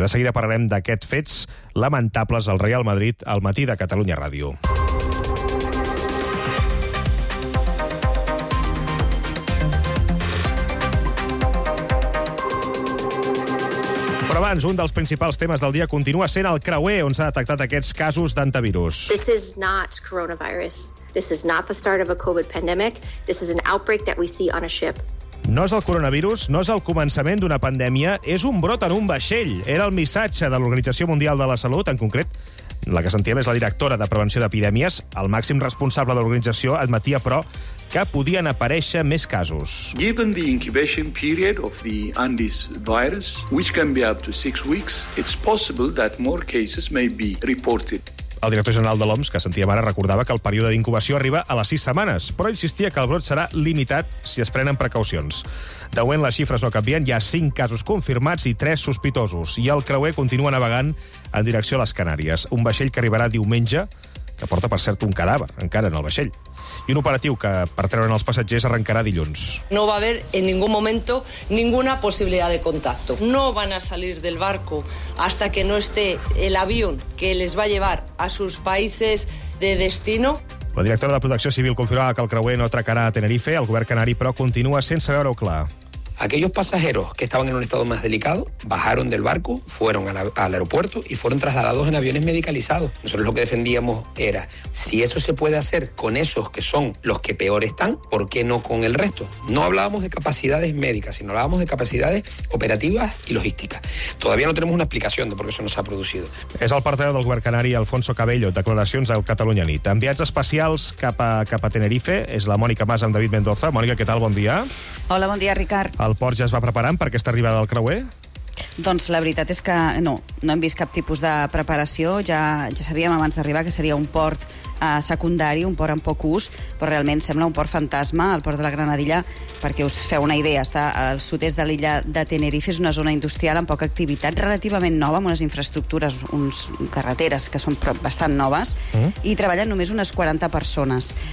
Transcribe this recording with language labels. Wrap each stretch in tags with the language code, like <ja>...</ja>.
<ca>De seguida parlarem d'aquests fets lamentables al Real Madrid al matí de Catalunya Ràdio. Però abans, un dels principals temes del dia continua sent el creuer, on s'ha detectat aquests casos d'antivirus.</ca> <en>This is not coronavirus. This is not the start of a COVID pandemic. This is an outbreak that we see on a ship.</en> <ca>No és el coronavirus, no és el començament d'una pandèmia, és un brot en un vaixell. Era el missatge de l'Organització Mundial de la Salut, en concret. La que sentíem és la directora de Prevenció d'Epidèmies. El màxim responsable de l'organització admetia, però, que podien aparèixer més casos.</ca> <en>Given the incubation period of the Andes virus, which can be up to 6 weeks, it's possible that more cases may be reported.</en> <ca>El director general de l'OMS, que sentíem ara, recordava que el període d'incubació arriba a les 6 setmanes, però insistia que el brot serà limitat si es prenen precaucions. De moment, les xifres no canvien, hi ha 5 casos confirmats i 3 sospitosos, i el creuer continua navegant en direcció a les Canàries. Un vaixell que arribarà diumenge, que porta, per cert, un cadàver, encara en el vaixell. I un operatiu que, per treure'n els passatgers, arrencarà dilluns.</ca> <es>No va haver en ningún momento ninguna posibilidad de contacto. No van a salir del barco hasta que no esté el avión que les va a llevar a sus países de destino.</es> <ca>La directora de Protecció Civil confirmava que el creuer no atracarà a Tenerife. El govern canari, però, continua sense veure-ho clar.</ca> <es>Aquellos pasajeros que estaban en un estado más delicado bajaron del barco, fueron al aeropuerto y fueron trasladados en aviones medicalizados. Nosotros lo que defendíamos era, si eso se puede hacer con esos que son los que peor están, ¿por qué no con el resto? No hablábamos de capacidades médicas, sino hablábamos de capacidades operativas y logísticas. Todavía no tenemos una explicación de por qué eso no se ha producido.</es> <ca>És el portaveu del govern canari, Alfonso Cabello, declaracions al Catalunya Nit. Enviats especials cap a Tenerife, és la Mònica Mas amb David Mendoza. Mònica, què tal? Bon dia. Hola, bon dia, Ricard. El port ja es va preparant per aquesta arribada del creuer? Doncs la veritat és que no hem vist cap tipus de preparació. Ja sabíem abans d'arribar que seria un port secundari, un port amb poc ús, però realment sembla un port fantasma, el port de la Granadilla, perquè us feu una idea, està al sud-est de l'illa de Tenerife, és una zona industrial amb poca activitat, relativament nova, amb unes infraestructures, uns carreteres que són bastant noves, i treballen només unes 40 persones.</ca>